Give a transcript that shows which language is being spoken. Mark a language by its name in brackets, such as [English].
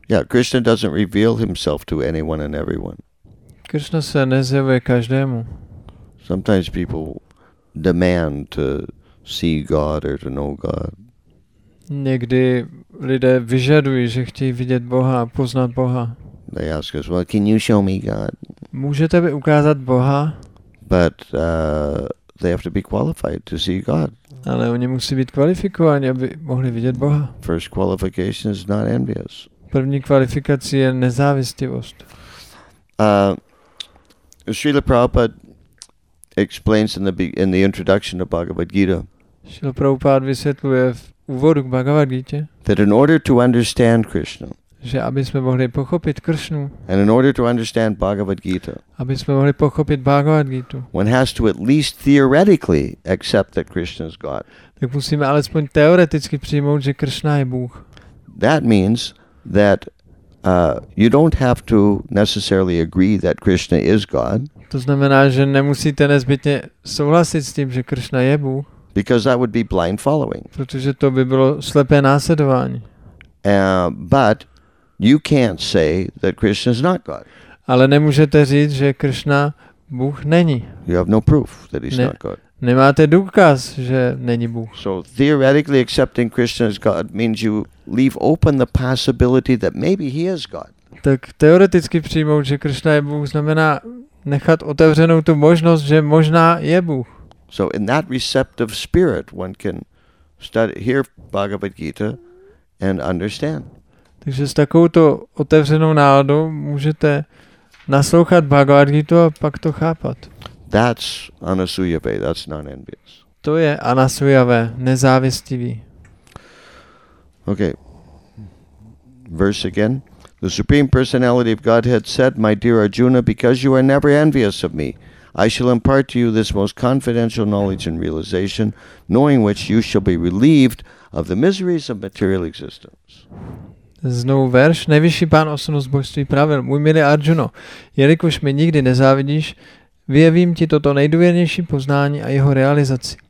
[English] Krishna doesn't reveal himself to anyone and everyone. [Czech] Krishna se nezjevuje každému. [English] Sometimes people demand to see God or to know God. [Czech] Někdy lidé vyžadují, že chtějí vidět Boha, poznat Boha. [English] They ask us, well, can you show me God? [Czech] Můžete mi ukázat Boha? [English] But they have to be qualified to see God. [Czech] Ale oni musí být kvalifikováni, aby mohli vidět Boha. [English] First qualification is not envious. [Czech] První kvalifikace je nezávistivost. [English] Srila Prabhupada explains in the introduction to Bhagavad Gita. [Czech] Srila Prabhupada vysvětluje v úvodu k Bhagavad Gita. [English] That in order to understand Krishna. [Czech] Že aby jsme mohli pochopit Kršnu. [English] And in order to understand Bhagavad Gita. [Czech] Aby jsme mohli pochopit Bhagavad Gitu. [English] One has to at least theoretically accept that Krishna is God. [Czech] Tak musíme alespoň teoreticky přijmout, že Kršna je Bůh. [English] That means that you don't have to necessarily agree that Krishna is God. [Czech] To znamená, že nemusíte nezbytně souhlasit s tím, že Kršna je Bůh. [English] Because that would be blind following. [Czech] Protože to by bylo slepé následování. [English] But you can't say that Krishna is not God. [Czech] Ale nemůžete říct, že Krishna Bůh není. [English] You have no proof that he's not God. [Czech] Nemáte důkaz, že není Bůh. [English] So theoretically accepting Krishna as God means you leave open the possibility that maybe he is God. [Czech] Tak teoreticky přijmout, že Krishna je Bůh, znamená nechat otevřenou tu možnost, že možná je Bůh. [English] So in that receptive spirit one can study, hear Bhagavad Gita and understand. [Czech] Takže s takovouto otevřenou náladou můžete naslouchat Bhagavad Gita a pak to chápat. [English] That's anasuya ve, that's non-envious. [Czech] To je anasuya ve, nezávistivý. [English] Okay. Verse again. The Supreme Personality of Godhead said, my dear Arjuna, because you are never envious of me, I shall impart to you this most confidential knowledge and realization, knowing which you shall be relieved of the miseries of material existence. [Czech] Znovu verš, nejvyšší pán osobnost božství pravil, můj milý Arjuno, jelikož mi nikdy nezávidíš, vyjevím ti toto nejdůvěrnější poznání a jeho realizaci.